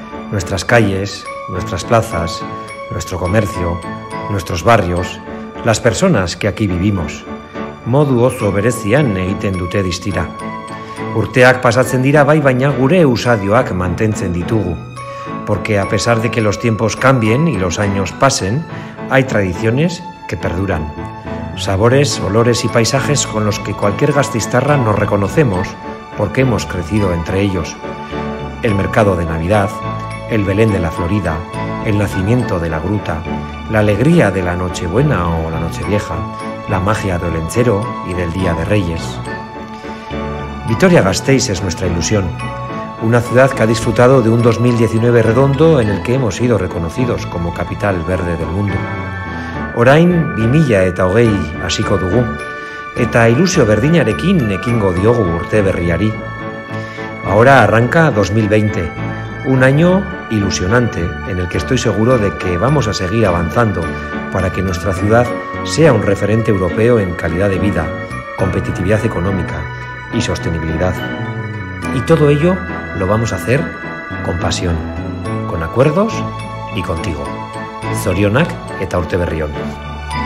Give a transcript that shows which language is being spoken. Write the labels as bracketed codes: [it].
[es] Nuestras calles, nuestras plazas, nuestro comercio, nuestros barrios, las personas que aquí vivimos. [eu] Modu oso berezian egiten dute distira. Urteak pasatzen dira bai, baina gure usadioak mantentzen ditugu. [es] Porque a pesar de que los tiempos cambien y los años pasen, hay tradiciones que perduran. Sabores, olores y paisajes con los que cualquier gasteiztarra nos reconocemos porque hemos crecido entre ellos. El mercado de Navidad, el Belén de la Florida, el nacimiento de la gruta, la alegría de la Nochebuena o la Nochevieja, la magia del Olentzero y del Día de Reyes. Vitoria-Gasteiz es nuestra ilusión. Una ciudad que ha disfrutado de un 2019 redondo en el que hemos sido reconocidos como capital verde del mundo. [eu] Orain, 2020 hasiko dugu, eta ilusio berdinarekin ekingo diogu urte berriari. [es] Ahora arranca 2020, un año ilusionante en el que estoy seguro de que vamos a seguir avanzando para que nuestra ciudad sea un referente europeo en calidad de vida, competitividad económica y sostenibilidad. Y todo ello lo vamos a hacer con pasión, con acuerdos y contigo. [eu] Zorionak eta urte berri honi.